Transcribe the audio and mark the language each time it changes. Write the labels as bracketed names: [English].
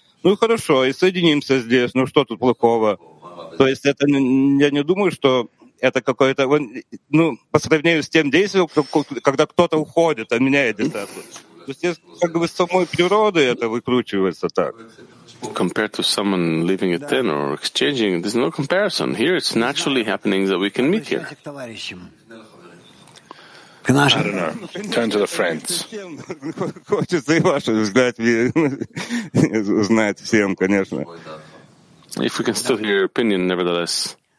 [Russian] Ну, хорошо, и соединимся здесь. Ну, что тут плохого? То есть это, я не думаю, что... Это какое-то, ну, по сравнению с тем действием, когда кто-то уходит, а меняет это. То есть как бы с самой природы это выкручивается так. [English] Compared to someone leaving it in or exchanging, there's no comparison. Here it's naturally happening that we can meet here. I don't know. Turn to the friends. [Russian] Хочется и ваше узнать всем, конечно. [English] If we can still hear your opinion, nevertheless.